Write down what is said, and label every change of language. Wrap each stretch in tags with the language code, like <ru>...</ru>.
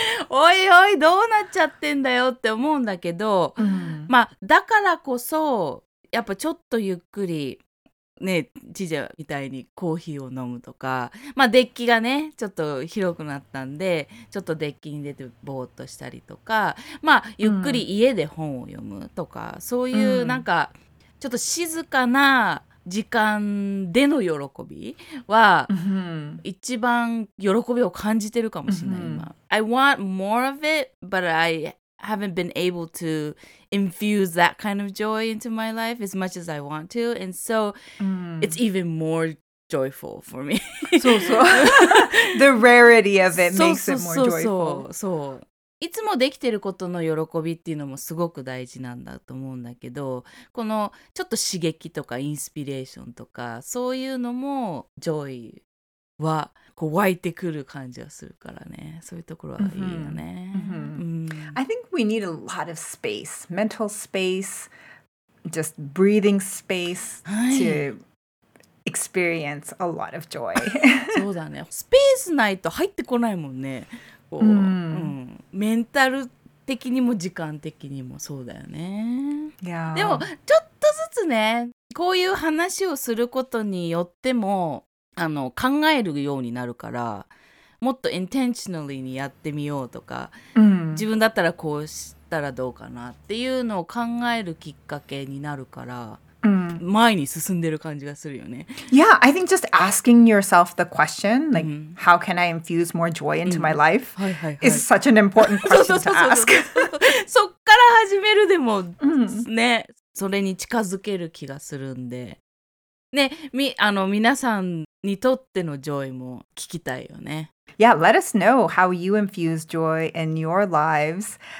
<ja>おいおい、どうなっちゃってんだよって思うんだけど、まあだからこそ、やっぱちょっとゆっくりね、ちじゃみたいにコーヒーを飲むとか、まあデッキがねちょっと広くなったんでちょっとデッキに出てぼーっとしたりとか、まあゆっくり家で本を読むとか、そういうなんかちょっと静かな時間での喜びは一番喜びを感じてるかもしれない今。</ja> <en>I want more of it, but I haven't been able to infuse that kind of joy into my life as much as I want to. And so it's even more joyful for me. So, so. The rarity of it makes it more joyful.</en> <ja>そうそう。いつもできてることの喜びっていうのもすごく大事なんだと思うんだけど、このちょっと刺激とかインスピレーションとか、そういうのも joy はこう湧いてくる感じがするからね。そういうところはいいよね。</ja> <en>I think we need a lot of space, mental space, just breathing space to experience a lot of joy.</en> <ja>そうだね。スペースないと入ってこないもんね。こう、mm. うん、メンタル的にも時間的にもそうだよね。</ja> <en>Yeah.</en> <ja>でもちょっとずつね、こういう話をすることによっても考えるようになるから、もっと intentionally にやってみようとか、 mm. 自分だったらこうしたらどうかなっていうのを考えるきっかけになるから、うん、前に進んでる感じがするよね。</ja> <en>Yeah, I think just asking yourself the question like、うん、how can I infuse more joy into my life、</en> <ja>うん、はいはいはい、</ja> <en>is such an important question to ask.</en> <ja>そっから始めるでも、うん、ね、それに近づける気がするんで、ね、皆さんにとっての joy も聞きたいよね。</ja> <en>Yeah, let us know how you infuse joy in your lives.</en>